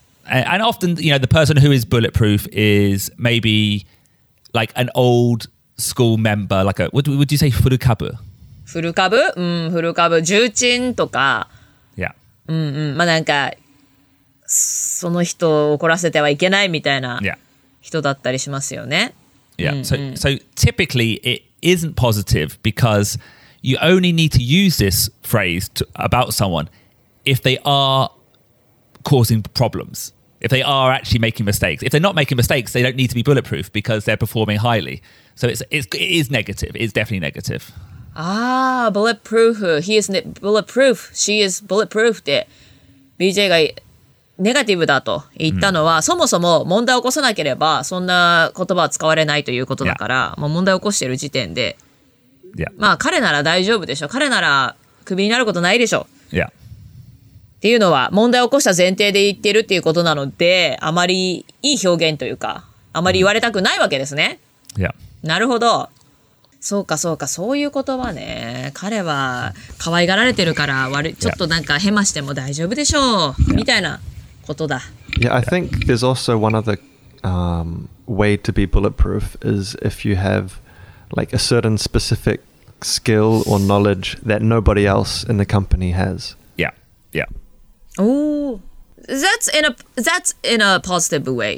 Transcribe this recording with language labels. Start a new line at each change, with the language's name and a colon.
English: And often, you know, the person who is bulletproof is maybe like an old school member, like a, what would you say, furukabu?
Japanese: Furukabu? Furukabu. 重鎮とか。
English: Yeah.
Japanese: まあなんか、その人を怒らせてはいけないみたいな人だったりしますよね。
English: Yeah. So typically it isn't positive because you only need to use this phrase about someone if they are... causing problems. If they are actually making mistakes. If they're not making mistakes, they don't need to be bulletproof because they're performing highly. So it is negative. It's definitely negative. Bulletproof. He is bulletproof. She is bulletproof.
Japanese: BJ がネガティブだと言ったのは、そもそも問題を起こさなければそんな言葉は使われないということだから、もう問題を起こしている時点で、まあ彼なら大丈夫でしょ。彼ならクビになることないでしょ。
English: Yeah.
Japanese: っていうのは問題を起こした前提で言ってるっていうことなので、あまりいい表現というかあまり言われたくないわけですね。いや、なるほど。そうかそうか、そういう言葉ね。彼は可愛がられてるから、ちょっとなんかヘマしても大丈夫でしょう、みたいなことだ。
English: Yeah, I think there's also one other way to be bulletproof is if you have like a certain specific skill or knowledge that nobody else in the company has. Yeah. Oh, that's in a positive way.